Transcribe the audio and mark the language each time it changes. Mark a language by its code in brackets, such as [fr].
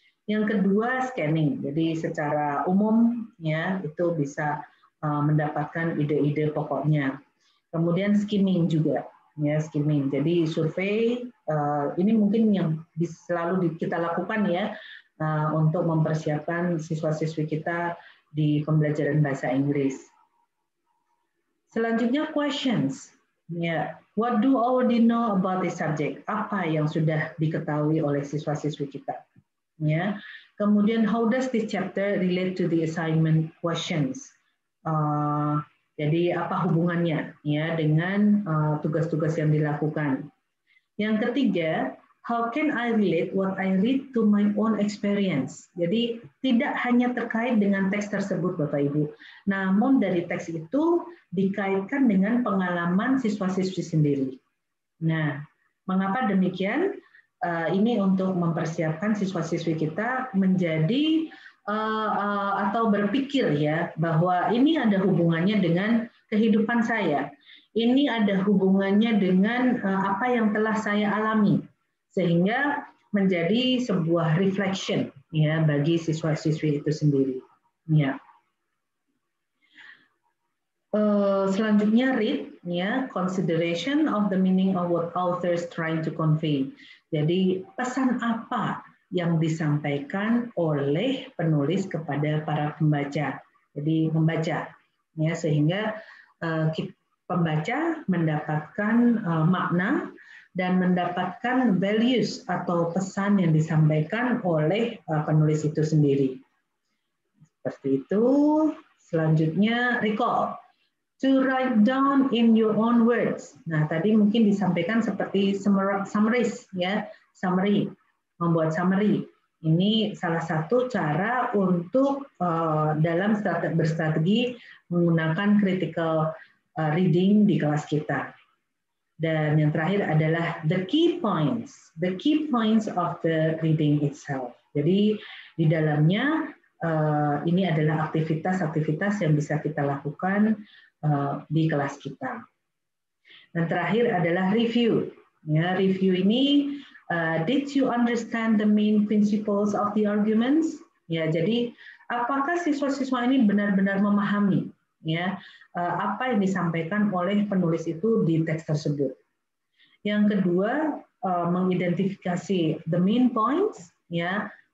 [id] Yang kedua, scanning. Jadi secara umum ya, itu bisa mendapatkan ide-ide pokoknya. Kemudian skimming juga ya, skimming. Jadi survei ini mungkin yang selalu kita lakukan ya untuk mempersiapkan siswa-siswi kita di pembelajaran bahasa Inggris. Selanjutnya questions. [en] Ya, what do already know about the subject? [id] Apa yang sudah diketahui oleh siswa-siswi kita? Ya. Kemudian [en] how does this chapter relate to the assignment questions? [id] Jadi apa hubungannya ya dengan tugas-tugas yang dilakukan? Yang ketiga, [en] how can I relate what I read to my own experience? [id] Jadi tidak hanya terkait dengan teks tersebut Bapak Ibu, namun dari teks itu dikaitkan dengan pengalaman siswa-siswi sendiri. Nah, mengapa demikian? Ini untuk mempersiapkan siswa-siswi kita menjadi atau berpikir ya bahwa ini ada hubungannya dengan kehidupan saya. Ini ada hubungannya dengan apa yang telah saya alami, sehingga menjadi sebuah reflection ya bagi siswa-siswi itu sendiri. Ya. Selanjutnya [en] read ya, consideration of the meaning of what authors trying to convey. [id] Jadi pesan apa yang disampaikan oleh penulis kepada para pembaca. Jadi membaca ya, sehingga pembaca mendapatkan makna dan mendapatkan values atau pesan yang disampaikan oleh penulis itu sendiri. Seperti itu. Selanjutnya [en] recall. To write down in your own words. [id] Nah, tadi mungkin disampaikan seperti summaries ya. Summary, membuat summary. Ini salah satu cara untuk dalam berstrategi menggunakan critical reading di kelas kita. Dan yang terakhir adalah [en] the key points of the reading itself. [id] Jadi di dalamnya ini adalah aktivitas-aktivitas yang bisa kita lakukan di kelas kita. Dan terakhir adalah review. [en] Ya, review ini did you understand the main principles of the arguments? [id] Ya, jadi apakah siswa-siswa ini benar-benar memahami ya apa yang disampaikan oleh penulis itu di teks tersebut. Yang kedua, mengidentifikasi [en] the main points [id] ya.